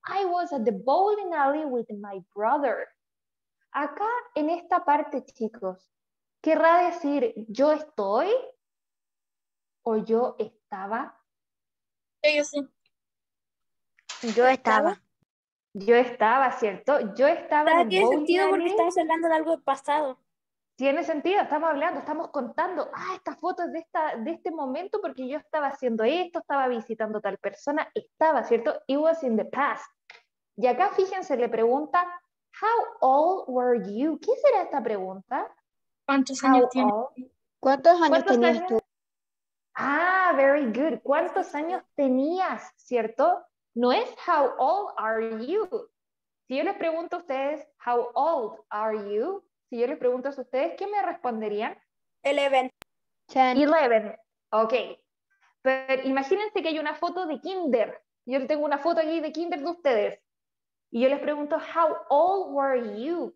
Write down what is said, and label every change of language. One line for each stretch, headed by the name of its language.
English: I was at the bowling alley with my brother.
Spanish: Acá, en esta parte, chicos, ¿querrá decir yo estoy o yo estaba? Yo sí. Yo estaba. Yo estaba, ¿cierto? Yo estaba. Pero tiene sentido porque estamos hablando de algo pasado. Tiene sentido, estamos hablando, estamos contando. Ah, esta foto es de este momento porque yo estaba haciendo esto, estaba visitando tal persona. Estaba, ¿cierto?
English: It was in the past.
Spanish: Y acá fíjense, le pregunta,
English: how old were you?
Spanish: ¿Qué será esta pregunta? ¿Cuántos how años tienes? ¿Cuántos años tenías tú?
English: Ah, very good.
Spanish: ¿Cuántos años tenías, cierto? No es
English: how old are you.
Spanish: Si yo les pregunto a ustedes, how old are you? Si yo les pregunto a ustedes, ¿qué me responderían? 11. 10. 11. Ok. Pero imagínense que hay una foto de kinder. Yo tengo una foto aquí de kinder de ustedes. Y yo les pregunto,
English: how old were you?